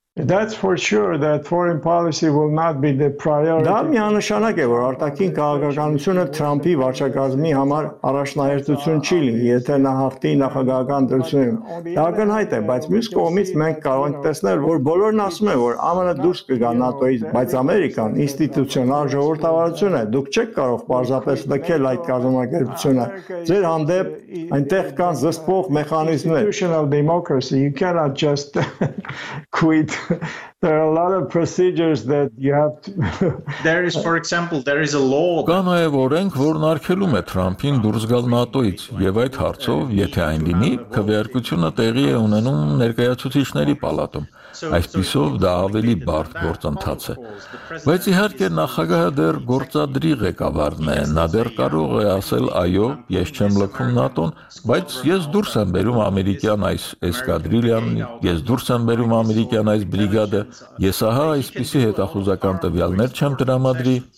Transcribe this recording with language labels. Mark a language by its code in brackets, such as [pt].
[en] That's for sure that foreign policy will not be the priority. [hy] Դա միանշանակ է, որ արտաքին քաղաքականությունը Թրամփի վարչակազմի համար առաջնահերթություն չի լինի, եթե նա հաղթի նախագահական դրությունը։ Դա գնահատ է, բայց մյուս կողմից մենք կարող ենք տեսնել, որ բոլորն ասում են, որ ԱՄՆ-ը դուրս կգա ՆԱՏՕ-ից, բայց Ամերիկան ինստիտուցիոնալ ժողովրդավարություն է, դուք չեք կարող պարզապես նկել այդ կազմակերպությունը։ Ձեր հանդեպ այնտեղ կան զսպող մեխանիզմներ։ [en] Institutional democracy, you cannot just quit. There are a lot of procedures that you have to There is for example there is a law [hy] Կանայ որենք որն արգելում է Թրամփին դուրս գալ ՆԱՏՕ-ից եւ այդ հարցով եթե այն լինի քվեարկությունը տեղի է ունենում ներկայացուցիչների պալատում այսպիսով դա ավելի բարդ գործընթաց է բայց իհարկե նախագահը դեռ գործադրի ղեկավարն է նա դեռ կարող է ասել այո ես չեմ լքում ՆԱՏՕ-ն բայց ես դուրս եմ բերում ամերիկյան այս էսկադրիլիան ես դուրս եմ բերում ամերիկյան այս բրիգադ Ես ահա այսպիսի հետախուզական տվյալներ չեմ տրամադրի,